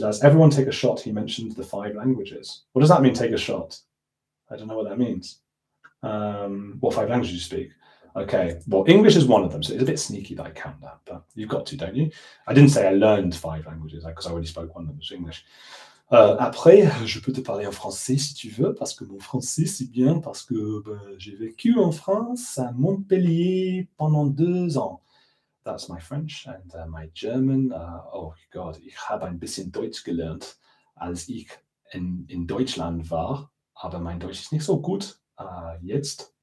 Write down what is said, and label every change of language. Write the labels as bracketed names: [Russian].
[English] Daz, everyone take a shot. He mentioned the five languages. What does that mean, take a shot? I don't know what that means. What five languages do you speak? Okay, well, English is one of them, so it's a bit sneaky that I count that, but you've got to, don't you? I didn't say I learned five languages, because I already spoke one of them, which is English. [French] Après, je peux te parler en français si tu veux, parce que mon français, c'est bien, parce que j'ai vécu en France, à Montpellier, pendant 2 ans. [English] That's my French and my German. [German] Oh, God, ich habe ein bisschen Deutsch gelernt, als ich in Deutschland war, aber mein Deutsch ist nicht so gut jetzt.